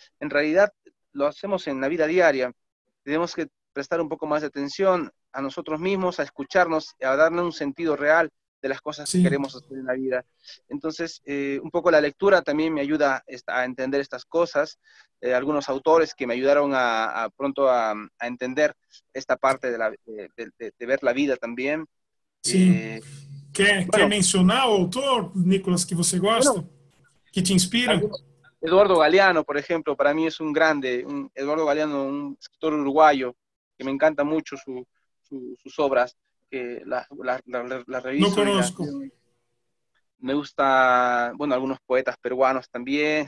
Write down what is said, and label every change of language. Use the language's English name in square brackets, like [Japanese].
[Spanish] En realidad, lo hacemos en la vida diaria. Tenemos que prestar un poco más de atención a nosotros mismos, a escucharnos, a darle un sentido real de las cosas que queremos hacer en la vida. Entonces, un poco la lectura también me ayuda a entender estas cosas. Algunos autores que me ayudaron a entender esta parte de, de ver la vida también. [Portuguese] ¿Quer mencionar autor, Nicolás, que você gosta? [Spanish] Bueno, que te inspira? Eduardo Galeano, por ejemplo, para mí es un grande. Eduardo Galeano, un escritor uruguayo, que me encanta mucho sus obras. La revista. No conozco. Me gusta, bueno, algunos poetas peruanos también.